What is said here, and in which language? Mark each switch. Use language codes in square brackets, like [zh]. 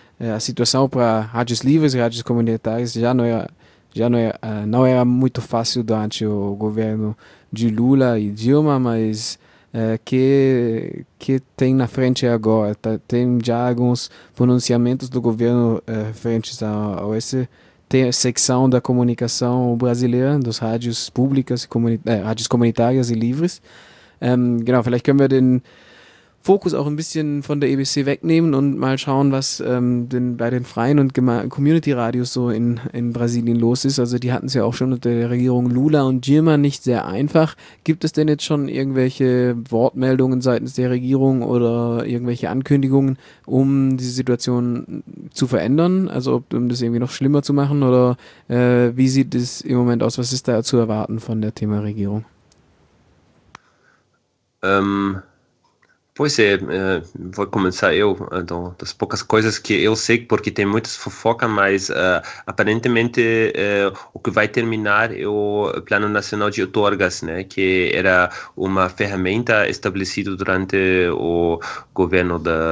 [pt] A situação para rádios livres e rádios comunitárias já não era muito fácil durante o governo de Lula e Dilma, mas que tem na frente agora? Tem já alguns pronunciamentos do governo referentes a essa secção da comunicação brasileira, dos rádios públicas, rádios comunitárias e livres. [de] Vielleicht können wir den Fokus auch ein bisschen von der EBC wegnehmen und mal schauen, was bei den freien und Community-Radios so in Brasilien los ist. Also die hatten es ja auch schon unter der Regierung Lula und Dilma nicht sehr einfach. Gibt es denn jetzt schon irgendwelche Wortmeldungen seitens der Regierung oder irgendwelche Ankündigungen, um die Situation zu verändern? Also um das irgendwie noch schlimmer zu machen oder wie sieht es im Moment aus? Was ist da zu erwarten von der Thema Regierung? [pt] Pois é, vou começar eu, das poucas coisas que eu sei, porque tem muitas fofocas, mas aparentemente o que vai terminar é o Plano Nacional de Outorgas, né, que era uma ferramenta estabelecida durante o governo